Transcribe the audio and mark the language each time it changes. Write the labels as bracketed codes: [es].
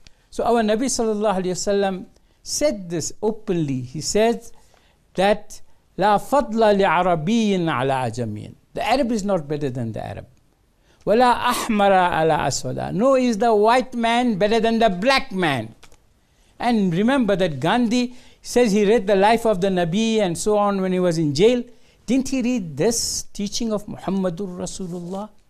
[en] So our Nabi sallallahu alayhi wa sallam said this openly. He said that [ar] لا فضل لعربي على عجمي. [en] The Arab is not better than the Arab. [ar] ولا أحمر على أسود. [en] Nor is the white man better than the black man. And remember that Gandhi says he read the life of the Nabi and so on when he was in jail. Didn't he read this teaching of Muhammadur Rasulullah?